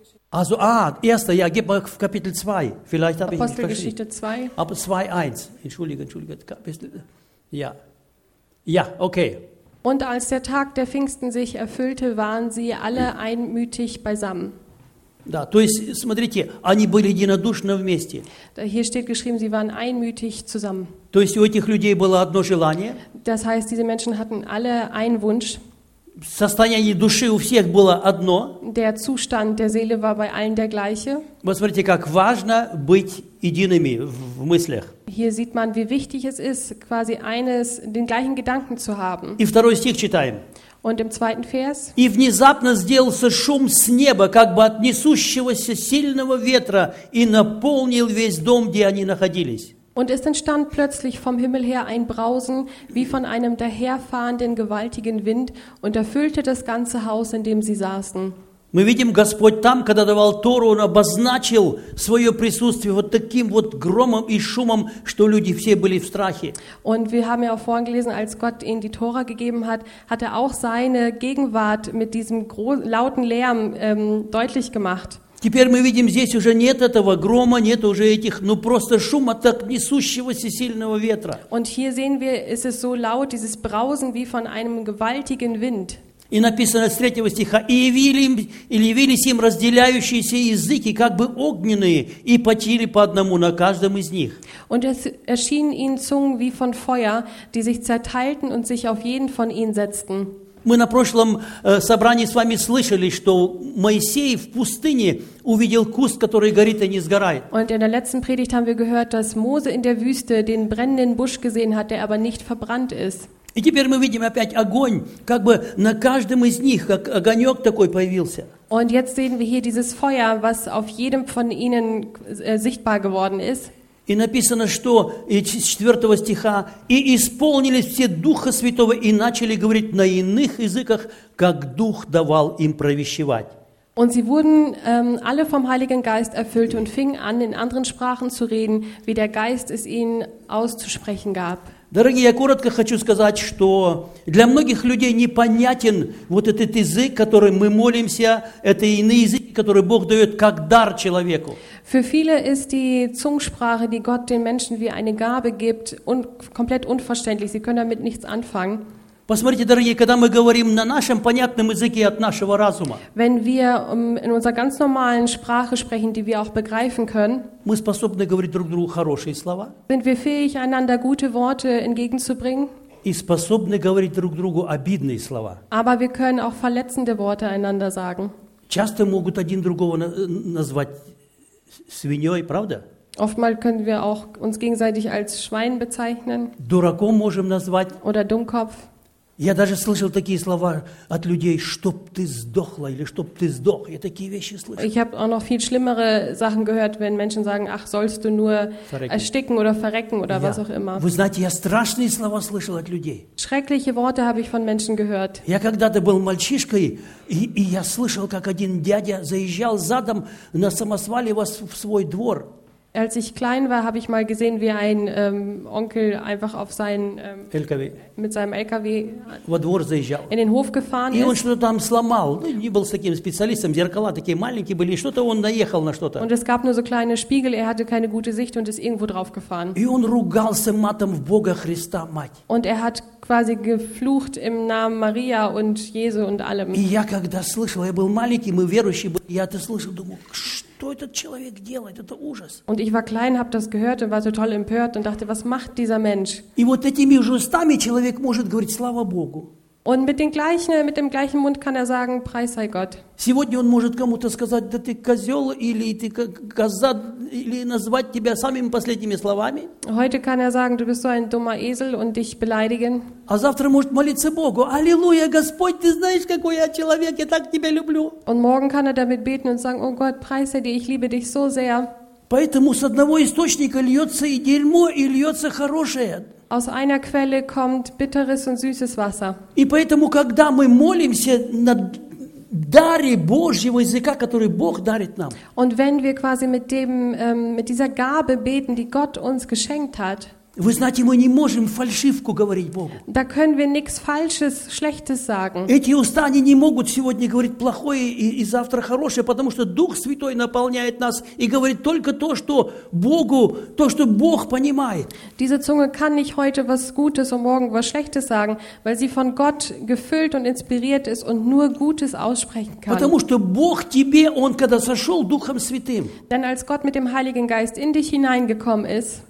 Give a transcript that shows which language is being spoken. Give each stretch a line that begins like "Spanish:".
German: Also, erster, ja, gib mal auf Kapitel 2. Vielleicht habe ich nicht verstanden. Apostelgeschichte 2. Aber 2:1. Entschuldige. Kapitel, ja. Ja, okay. Und als der Tag der Pfingsten sich erfüllte, waren sie alle einmütig beisammen.
Russian: Да, то есть, смотрите, они были единодушны вместе.
German: Hier steht geschrieben, sie waren einmütig zusammen.
Russian: То есть, у этих людей было одно желание.
German: Das heißt, diese Menschen hatten alle einen Wunsch.
Russian: Состояние души у всех было одно.
German: Der Zustand der Seele war bei allen der gleiche.
Russian: Вот смотрите, как важно быть едиными в мыслях.
German: Hier sieht man, wie wichtig es ist, quasi den gleichen Gedanken zu haben.
Russian: И второй стих читаем.
German: Und im zweiten Vers.
Russian: И внезапно сделался шум с неба, как бы от несущегося сильного ветра, и наполнил весь дом, где они находились.
German: Und es entstand plötzlich vom Himmel her ein Brausen, wie von einem daherfahrenden gewaltigen Wind, und erfüllte das ganze Haus, in dem sie saßen.
Russian: Мы видим, Господь там, когда давал Тору, он обозначил свое присутствие вот таким вот громом и шумом, что люди все были в страхе.
German: Und wir haben ja auch vorhin gelesen, als Gott ihnen die Tora gegeben hat, hat auch seine Gegenwart mit diesem lauten Lärm deutlich gemacht.
Russian: Теперь мы видим, здесь уже нет этого грома, нет уже этих, ну просто шума так несущегося сильного ветра.
German: Und hier sehen wir, ist es so laut, dieses Brausen wie von einem gewaltigen Wind.
Russian: И написано с 3 стиха, и явились им разделяющиеся языки, как бы огненные, и почили по одному на каждом из них.
German: Und es erschienen ihnen Zungen wie von Feuer, die sich zerteilten und sich auf jeden von ihnen setzten.
Russian: Мы на прошлом собрании с вами слышали, что Моисей в пустыне увидел куст, который горит и не сгорает.
German: Und in der letzten Predigt haben wir gehört, dass Mose in der Wüste den brennenden Busch gesehen hat, der aber nicht verbrannt ist.
Russian: И теперь мы видим опять огонь, как бы на каждом из них, как огонек такой появился.
German: Und jetzt sehen wir hier dieses Feuer, was auf jedem von ihnen sichtbar geworden ist.
Russian: И написано, что из 4 стиха «И исполнились все Духа Святого и начали говорить на иных языках, как Дух давал им провещевать».
German: Und sie wurden alle vom Heiligen Geist erfüllt und fingen an, in anderen Sprachen zu reden, wie der Geist es ihnen auszusprechen gab.
Russian: Дорогие, я коротко хочу сказать, что для многих людей непонятен вот этот язык, которым мы молимся, это иные языки, которые Бог дает как дар человеку.
German: Für viele ist die Zungensprache, die Gott den Menschen wie eine Gabe gibt, komplett unverständlich. Sie können damit nichts anfangen.
Russian: Посмотрите, дорогие, когда мы говорим на нашем понятном языке от нашего разума.
German: Wenn wir in unserer ganz normalen Sprache sprechen, die wir auch begreifen können.
Russian: Мы способны говорить друг другу хорошие слова.
German: Sind wir fähig, einander gute Worte entgegenzubringen?
Russian: И способны говорить друг другу обидные слова.
German: Aber wir können auch verletzende Worte einander sagen.
Russian: Часто могут один другого назвать свиньей, правда?
German: Oftmals können wir auch uns gegenseitig als Schwein bezeichnen.
Russian: Дураком можем назвать.
German: Oder Dummkopf.
Russian: Я даже слышал такие слова от людей, чтоб ты сдохла или чтоб ты сдох. Я такие вещи слышал.
German: Ich habe auch noch viel schlimmere Sachen gehört, wenn Menschen sagen, ach, sollst du nur ersticken oder verrecken oder was auch immer.
Russian: Вы знаете, я страшные слова слышал от людей.
German: Schreckliche Worte habe ich von Menschen gehört.
Russian: Я когда-то был мальчишкой, и я слышал, как один дядя заезжал задом на самосвале в свой двор.
German: Als ich klein war, habe ich mal gesehen, wie ein Onkel einfach auf LKW. Mit seinem LKW in den Hof gefahren и ist. Und
Russian: что-то там сломал. Ну, не был с таким специалистом. Зеркала такие маленькие были. Что-то он наехал на что-то.
German: Und es gab nur so kleine Spiegel. Er hatte keine gute Sicht und ist irgendwo drauf gefahren.
Russian: И он ругался матом в Бога Христа, мать.
German: Und er hat quasi geflucht im Namen Maria und Jesu und allem.
Russian: И я когда слышал, я был маленький, мы верующие были. Я это слышал, думаю, что этот человек делает? Это ужас.
German: Und ich war klein, habe das gehört und war total empört und dachte, was macht dieser Mensch?
Russian: И вот этими же устами человек может говорить, слава Богу.
German: Und mit dem gleichen Mund kann er sagen, preis sei Gott.
Russian: Сегодня он может кому-то сказать, да ты козел или ты коза, или назвать тебя самыми последними словами.
German: Heute kann er sagen, du bist so ein dummer Esel und dich beleidigen.
Russian: А завтра может молиться Богу, аллилуйя, Господь, ты знаешь, какой я человек, я так тебя люблю.
German: Und morgen kann er damit beten und sagen, oh Gott, preis sei dir, ich liebe dich so sehr.
Russian: Поэтому с одного источника льется и дерьмо, и льется хорошее.
German: Aus einer Quelle kommt bitteres und süßes Wasser.
Russian: И поэтому, когда мы молимся на даре Божьего языка, который Бог дарит нам.
German: Und wenn wir quasi mit dem mit dieser Gabe beten, die Gott uns geschenkt hat.
Russian: Вы знаете, мы не можем фальшивку говорить Богу.
German: Da können wir nichts Falsches, Schlechtes sagen.
Russian: Эти уста не могут сегодня говорить плохое и завтра хорошее, потому что Дух Святой наполняет нас и говорит только то, что Богу, то, что Бог понимает.
German: Diese Zunge kann nicht heute was Gutes und morgen was Schlechtes sagen, weil sie von Gott gefüllt und inspiriert ist und nur Gutes aussprechen kann.
Russian: Потому что Бог тебе, Он когда сошел Духом Святым.
German: Denn als Gott mit dem Heiligen Geist in dich hineingekommen ist.